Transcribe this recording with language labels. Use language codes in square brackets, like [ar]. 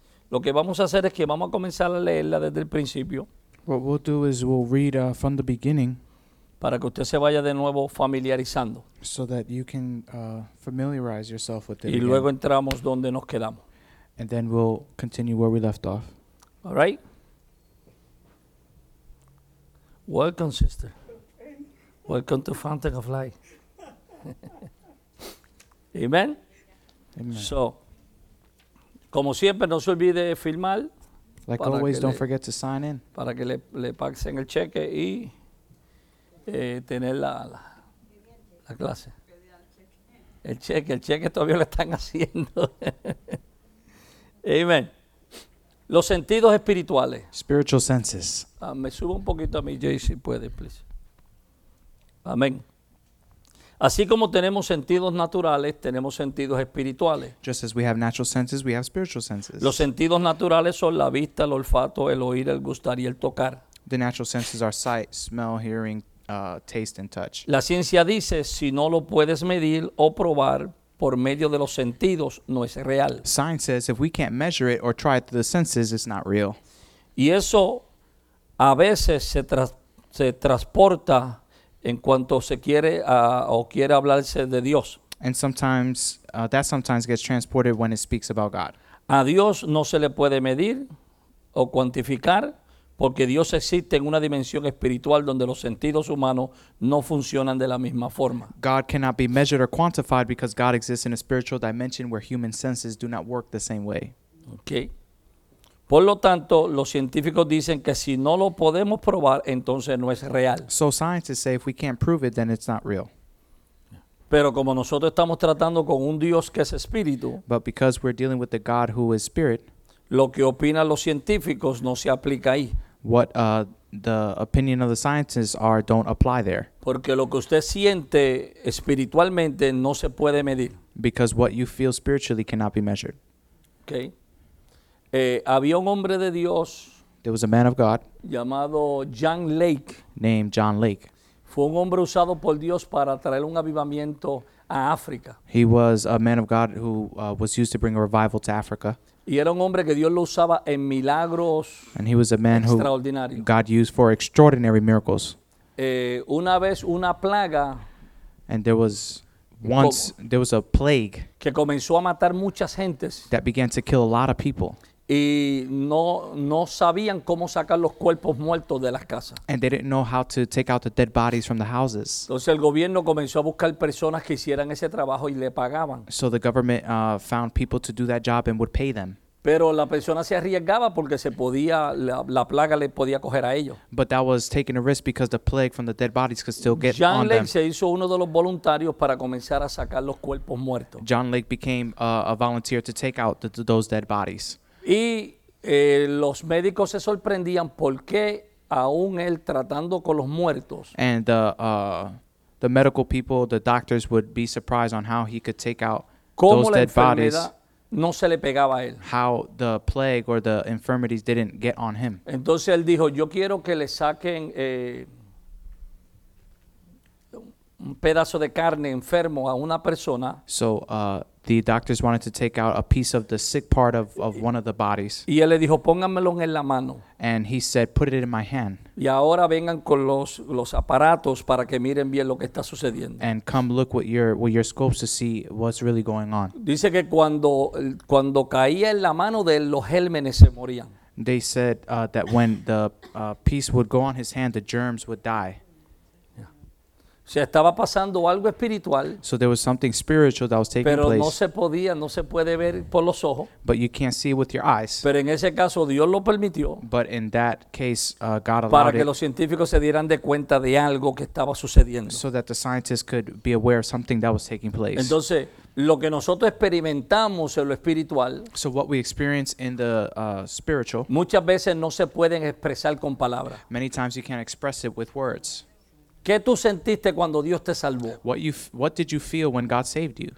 [es] Lo que vamos a hacer es que vamos a comenzar a leerla desde el principio. [en] What we'll do is we'll read from the beginning. [es] Para que usted se vaya de nuevo familiarizando. [en] So that you can familiarize yourself with it. [es] Y luego entramos donde nos quedamos. [en] And then we'll continue where we left off. All right. Welcome, sister. Welcome to Fountain of Life. Amen. Amen. [es] So, como siempre, no se olvide filmar. [en] Like always, don't forget to sign in. [es] Para que le pasen el cheque y tener la clase. El cheque todavía lo están haciendo. Amen. Los sentidos espirituales. [en] Spiritual senses. [es] Me subo un poquito a mi Jay, si puede, please. Amén. Así como tenemos sentidos naturales, tenemos sentidos espirituales. [en] Just as we have natural senses, we have spiritual senses. [es] Los sentidos naturales son la vista, el olfato, el oír, el gustar y el tocar. [en] The natural senses are sight, smell, hearing, taste and touch. [es] La ciencia dice, si no lo puedes medir o probar por medio de los sentidos, no es real. [en] Science says, if we can't measure it or try it through the senses, it's not real. [es] Y eso a veces se transporta en cuanto se quiere o quiere hablarse de Dios. [en] And sometimes, that sometimes gets transported when it speaks about God. [es] A Dios no se le puede medir o cuantificar porque Dios existe en una dimensión espiritual donde los sentidos humanos no funcionan de la misma forma. [en] God cannot be measured or quantified because God exists in a spiritual dimension where human senses do not work the same way. Okay. [es] Por lo tanto, los científicos dicen que si no lo podemos probar, entonces no es real. [en] So scientists say if we can't prove it, then it's not real. [es] Pero como nosotros estamos tratando con un Dios que es espíritu, [en] but because we're dealing with the God who is spirit, [es] lo que opinan los científicos no se aplica ahí. [en] What the opinion of the scientists are don't apply there. [es] Porque lo que usted siente espiritualmente no se puede medir. [en] Because what you feel spiritually cannot be measured. [es] Okay. Había un hombre de Dios. [en] There was a man of God. [es] Llamado John Lake. [en] Named John Lake. [es] Fue un hombre usado por Dios para traer un avivamiento a África. [en] He was a man of God who was used to bring a revival to Africa. [es] Y era un hombre que Dios lo usaba en milagros. [en] And he was a man who God used for extraordinary miracles. [es] Una vez una plaga. [en] And there was once there was a plague. [es] Que comenzó a matar muchas gentes. [en] That began to kill a lot of people. [es] Y no sabían cómo sacar los cuerpos muertos de las casas. [en] And they didn't know how to take out the dead bodies from the houses. [es] Entonces el gobierno comenzó a buscar personas que hicieran ese trabajo y le pagaban. [en] So the government found people to do that job and would pay them. [es] Pero la persona se arriesgaba porque se podía la plaga le podía coger a ellos. [en] But that was taking a risk because the plague from the dead bodies could still get John on Lake them. [es] Se hizo uno de los voluntarios para comenzar a sacar los cuerpos muertos. [en] John Lake became a volunteer to take out those dead bodies. [es] Y los médicos se sorprendían por qué aún él tratando con los muertos. [en] And the medical people, the doctors would be surprised on how he could take out those dead bodies. [es] No se le pegaba a él. [en] How the plague or the infirmities didn't get on him. [es] Entonces él dijo, yo quiero que le saquen un pedazo de carne enfermo a una persona. [en] So the doctors wanted to take out a piece of the sick part of one of the bodies. [es] Y él le dijo, pónganmelo en la mano. [en] And he said, put it in my hand. [es] Y ahora vengan con los aparatos para que miren bien lo que está sucediendo. [en] And come look with your scopes to see what's really going on. [es] Dice que cuando caía en la mano de él, los gérmenes se morían. [en] They said that when the piece would go on his hand, the germs would die. [es] O sea, estaba pasando algo espiritual. [en] So there was something spiritual that was taking [es] pero [en] place. [es] Pero no se podía, no se puede ver por los ojos. [en] But you can't see with your eyes. [es] Pero en ese caso Dios lo permitió. [en] But in that case, God allowed it. [es] Para que los científicos se dieran de cuenta de algo que estaba sucediendo. [en] So that the scientists could be aware of something that was taking place. [es] Entonces, lo que nosotros experimentamos en lo espiritual, [en] so what we experience in the spiritual, [es] muchas veces no se pueden expresar con palabras. [en] Many times you can't express it with words. [es] ¿Qué tú sentiste cuando Dios te salvó? [en] What did you feel when God saved you?